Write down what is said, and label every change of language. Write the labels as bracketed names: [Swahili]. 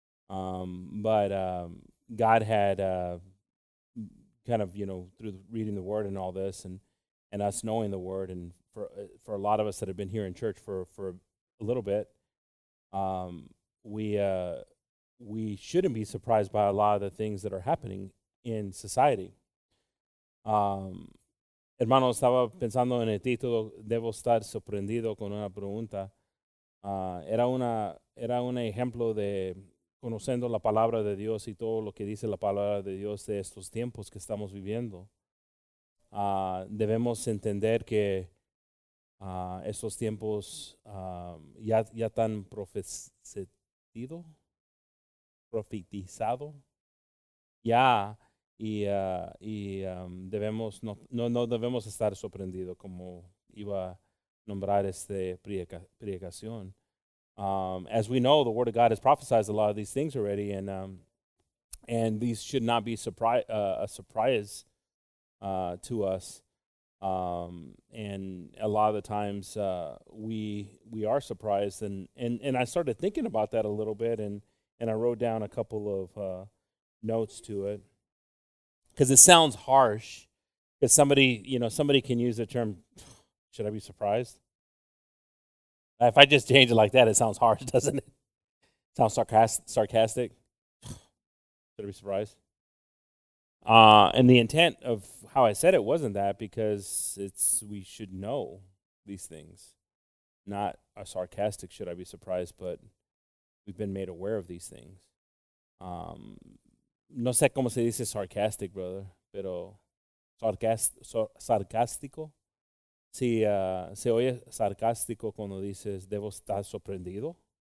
[English] God had kind of, you know, through reading the Word and all this and us knowing the Word, and for a lot of us that have been here in church for a little bit, we shouldn't be surprised by a lot of the things that are happening in society. [Spanish] Hermano, estaba pensando en el título, debo estar sorprendido con una pregunta. Era un ejemplo de conociendo la palabra de Dios y todo lo que dice la palabra de Dios de estos tiempos que estamos viviendo. Debemos entender que estos tiempos ya están profetizado ya, y debemos no debemos estar sorprendido, como iba a nombrar esta predicación. [English] As we know, the Word of God has prophesied a lot of these things already, and these should not be a surprise to us. And a lot of the times we are surprised, and I started thinking about that a little bit, and I wrote down a couple of notes to it, because it sounds harsh. Because somebody can use the term, should I be surprised? If I just change it like that, it sounds harsh, doesn't it? Sounds sarcastic. Should I be surprised? And the intent of how I said it wasn't that, because we should know these things. Not a sarcastic, should I be surprised, but we've been made aware of these things. [Spanish] No sé cómo se dice sarcastic, brother, pero sarcástico. Si se oye sarcástico cuando dices, debo estar sorprendido.